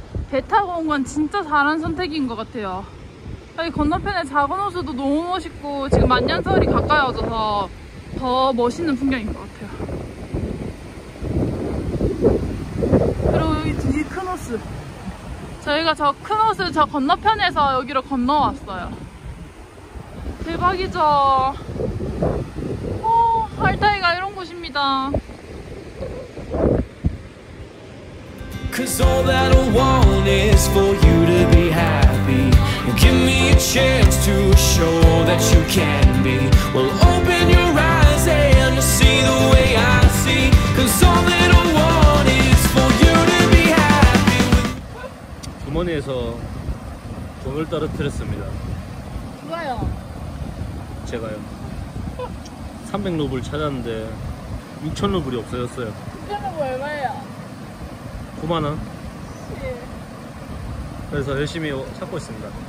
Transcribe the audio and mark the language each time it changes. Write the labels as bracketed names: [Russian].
[Korean] 배 타고 온 건 진짜 잘한 선택인 것 같아요. 여기 건너편에 작은 호수도 너무 멋있고 지금 만년설이 가까이 와줘서 더 멋있는 풍경인 것 같아요. 그리고 여기 뒤에 큰 호수. 저희가 저 큰 호수 저 건너편에서 여기로 건너왔어요. 대박이죠? 오, 알타이가 이런 곳입니다. [English] Cause all that I want is for you to be happy. Give me a chance to show that you can be. Well, open your eyes and you'll see the way I see. Cause all that I want is for you to be happy. [Korean] 주머니에서 돈을 떨어뜨렸습니다. 누가요? 제가요. 300루블 찾았는데 6000루블이 없어졌어요. 6000루블 얼마예요? 9만원. 그래서 열심히 찾고 있습니다.